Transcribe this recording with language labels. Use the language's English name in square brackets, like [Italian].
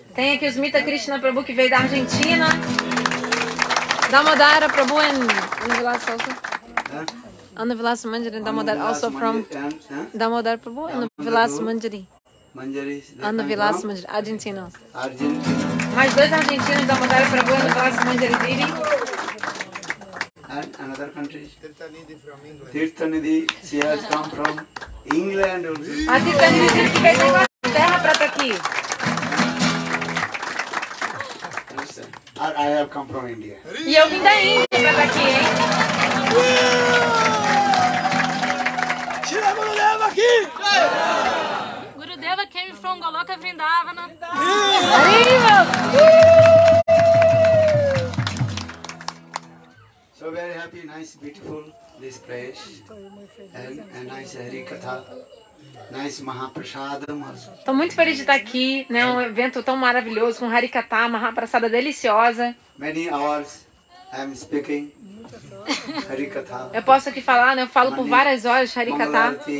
[Portuguese] Tem aqui o Smita Krishna Prabhu, que veio da Argentina. [English] Damodara Prabhu e Anuvilas also. Anuvilas Manjari and Damodara also from Damodara Prabhu and Anuvilas Manjari. [Portuguese] Anuvilas Manjari, Argentina. Mais dois argentinos, Damodara Prabhu e Anuvilas Manjari Devi. [English] And another country. Tirthanidhi, she has come from England. [Portuguese] A Tirthanidhi que veio da Inglaterra para estar aqui. [English] I have come from India. [Portuguese] E eu vim da Índia, aqui, hein? Shri Gurudeva aqui! [English] Gurudeva came from Goloka Vrindavana. [Spanish] Arriba! [English] So very happy, nice, beautiful, this place. And a nice Hari Katha. Nice Mahaprasadam. [Portuguese] Estou muito feliz de estar aqui, né? Um evento tão maravilhoso com Harikatha, Mahaprasada deliciosa. [English] Many hours I'm speaking Harikatha. [Portuguese] Eu posso aqui falar, né? Eu falo por várias horas Harikatha.